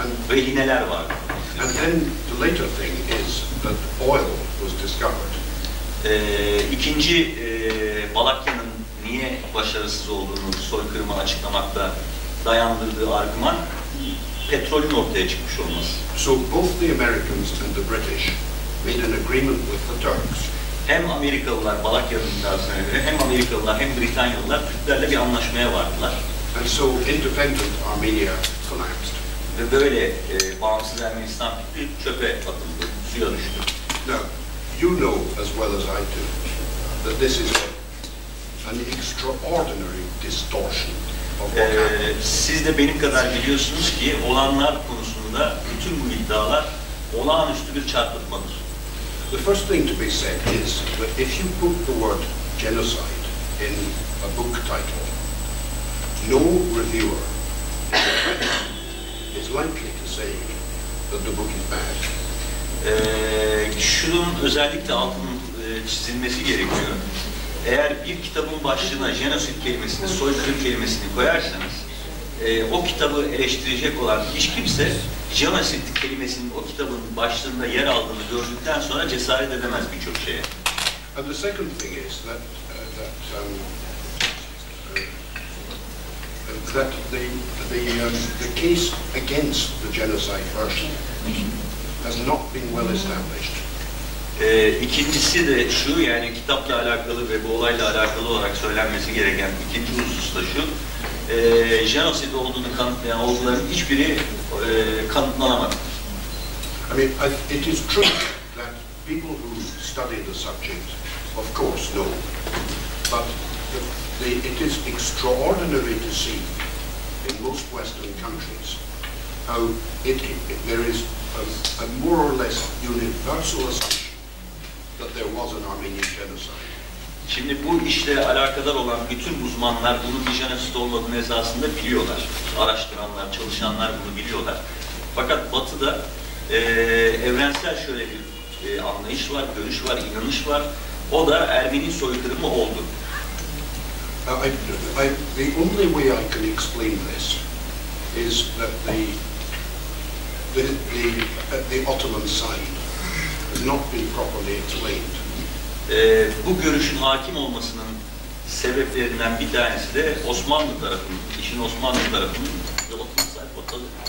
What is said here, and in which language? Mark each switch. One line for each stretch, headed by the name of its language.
Turkish: Ve hineler vardı.
English: And then the later thing is that oil was discovered.
Turkish: İkinci Balakian'ın niye başarısız olduğunu soykırımı açıklamakta dayandırdığı argüman petrolün ortaya çıkmış olması.
English: So both the Americans and the British made an agreement with the Turks.
Turkish: Hem Amerikalılar Balakian'ın iddiasına göre hem Amerikalılar hem Britanyalılar Türklerle bir anlaşmaya vardılar.
English: And so independent Armenia collapsed.
Turkish: Ve böyle bağımsız Ermenistan bir çöpe atıldı, suya düştü.
English: Now, you know as well as I do that this is an extraordinary distortion.
Turkish: Siz de benim kadar biliyorsunuz ki olanlar konusunda bütün bu iddialar olağanüstü bir çarpıtmadır.
English: The first thing to be said is that if you put the word genocide in a book title, no reviewer is likely to say that the book is bad.
Turkish: Şunun özellikle altının çizilmesi gerekiyor. Eğer bir kitabın başlığına jenosit kelimesini, soykırım kelimesini koyarsanız, o kitabı eleştirecek olan hiç kimse jenosit kelimesinin o kitabın başlığında yer aldığını gördükten sonra cesaret edemez birçok şeye.
English: And the second thing is that the case against the genocide version has not been well established.
Turkish: İkincisi de şu, yani kitapla alakalı ve bu olayla alakalı olarak söylenmesi gereken ikinci husus da şu. Genosid olduğunu kanıtlayan olguların hiçbiri kanıtlanamadı.
English: I mean, it is true that people who study the subject, of course, know. But it is extraordinary to see in most Western countries how there is a more or less universal assumption that there was an Armenian genocide.
Turkish: Şimdi bu işle alakadar olan bütün uzmanlar bunun bir genosid olmadığını esasında biliyorlar. Araştıranlar, çalışanlar bunu biliyorlar. Fakat Batı'da evrensel şöyle bir anlayış var, görüş var, inanış var. O da Ermeni soykırımı oldu.
English: The only way I can explain this is that the Ottoman side has not been properly explained.
Turkish: Bu görüşün hakim olmasının sebeplerinden bir tanesi de Osmanlı tarafının, işin Osmanlı tarafının Batı'nın sahip Batı'lı.